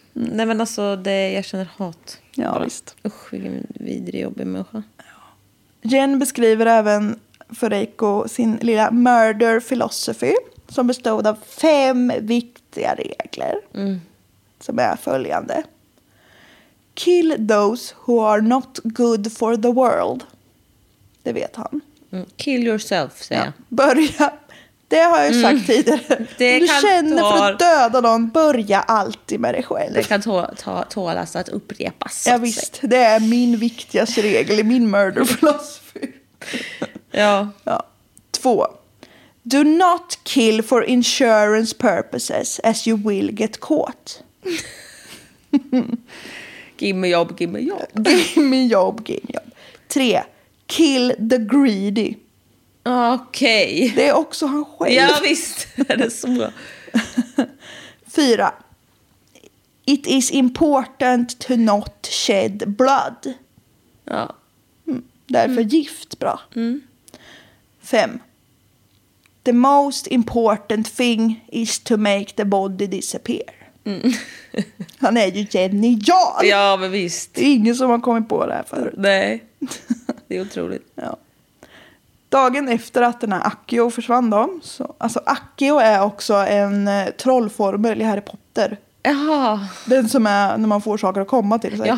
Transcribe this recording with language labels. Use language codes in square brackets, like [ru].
[sv] Nej men alltså, det, jag känner hat. Ja, visst. Usch, vilken vidrig jobbig människa. Jen beskriver även för Eiko sin lilla murder philosophy som bestod av 5 viktiga regler som är följande. [en] Kill those who are not good for the world. [sv] Det vet han. Mm. [en] Kill yourself, [sv] säger jag. Börja. Det har jag sagt tidigare. Det du känner för att döda någon, börja alltid med dig själv. Det kan tålas att upprepas. Ja, visst. Det är min viktigaste regel i min murder philosophy. Ja. Ja. 2. [en] Do not kill for insurance purposes as you will get caught. Give me job. 3. Kill the greedy. [sv] Okej. Det är också han själv. Ja visst, det är så. [en] 4. It is important to not shed blood. [sv] Ja. Därför gift bra. 5. [en] The most important thing is to make the body disappear. Mm. [sv] Han är ju genial. Ja, men visst. Det är ingen som har kommit på det här förut. Nej, det är otroligt. Ja. Dagen efter att den här Akio försvann då, så, alltså Akio är också en trollformel i Harry Potter. Jaha. Den som är när man får saker att komma till sig.